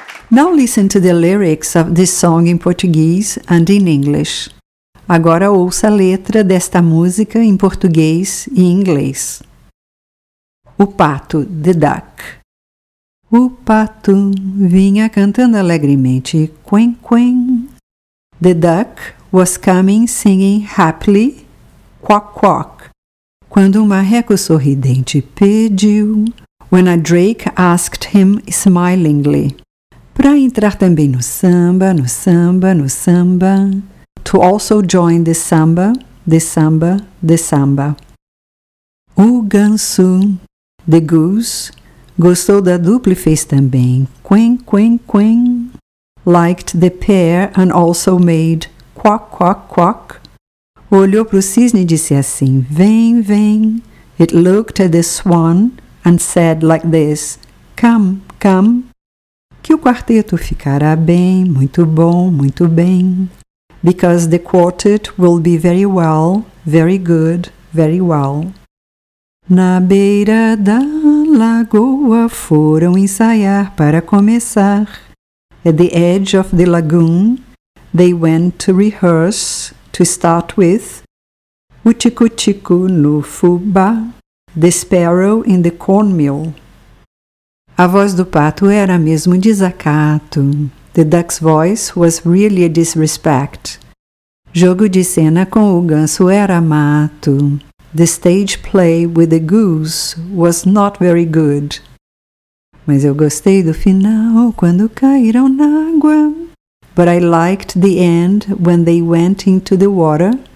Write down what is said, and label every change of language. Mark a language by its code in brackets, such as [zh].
[en] Now listen to the lyrics of this song in Portuguese and in English. [pt] Agora ouça a letra desta música em português e inglês. O pato, [en] the duck. [pt] O pato vinha cantando alegremente, quen, quen. [en] The duck was coming singing happily, quack, quack. [pt] Quando um marreco sorridente pediu, [en] when a drake asked him smilingly, [pt] para entrar também no samba, no samba, no samba. [en] To also join the samba, the samba, the samba. [pt] O ganso, [en] the goose, [pt] gostou da dupla e fez também, quen, quen, quen. [en] Liked the pair and also made quack, quack, quack. [pt] Olhou para o cisne e disse assim, vem, vem. [en] It looked at the swan and said like this, come, come. [pt] Que o quarteto ficará bem, muito bom, muito bem. [en] Because the quartet will be very well, very good, very well. [pt] Na beira da lagoa foram ensaiar para começar. [en] At the edge of the lagoon, they went to rehearse, to start with. [pt] O tico-tico no fubá, [en] the sparrow in the cornmeal. [pt] A voz do pato era mesmo um desacato. [en] The duck's voice was really a disrespect. [pt] Jogo de cena com o ganso era mato. [en] The stage play with the goose was not very good. [pt] Mas eu gostei do final quando caíram na água. [en] But I liked the end when they went into the water.